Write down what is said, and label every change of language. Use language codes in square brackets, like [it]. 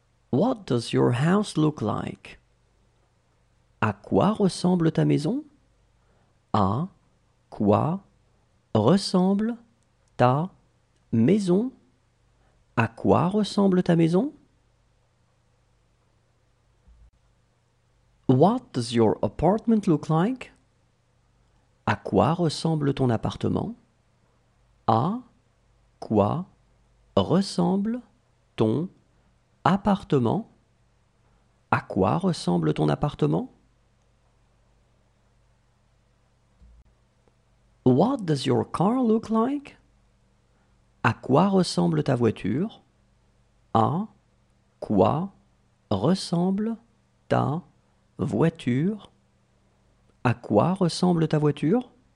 [en] What does your house look like? [fr] À quoi ressemble ta maison? À quoi ressemble ta maison? À quoi ressemble ta maison? [en] What does your apartment look like? [fr] À quoi ressemble ton appartement? À quoi ressemble ton appartement? À quoi ressemble ton appartement? [en] What does your car look like? [fr] À quoi ressemble ta voiture? À quoi ressemble ta voiture? À quoi ressemble ta voiture?